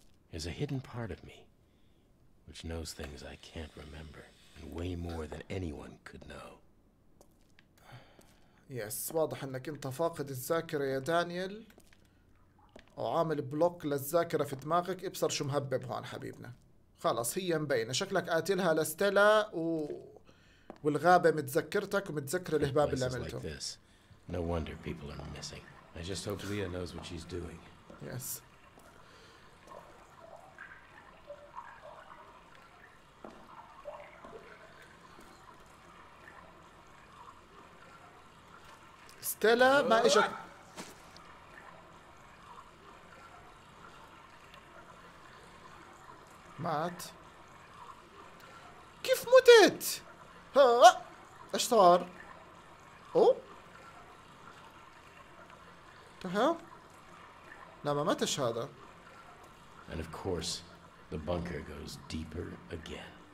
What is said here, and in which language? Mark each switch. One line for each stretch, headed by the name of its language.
English: There's a hidden part of me which knows things I can't remember and way more than anyone could know.
Arabic: Yes, واضح انك انت فاقد الذاكرة يا دانيال. وعامل بلوك للذاكرة في دماغك. ابصر شو مهبب هون حبيبنا. خلاص هي مبينة شكلك قاتلها لستيلا والغابة متذكرتك ومتذكر الهباب اللي عملته.
English: No wonder people are missing. I just hope Leah knows what she's doing. Yes.
Arabic: ستيلا ما اجت. مات. كيف متت؟ ها ايش صار؟ او تها لا ما ماتش هذا.
English: And of course the bunker goes deeper again.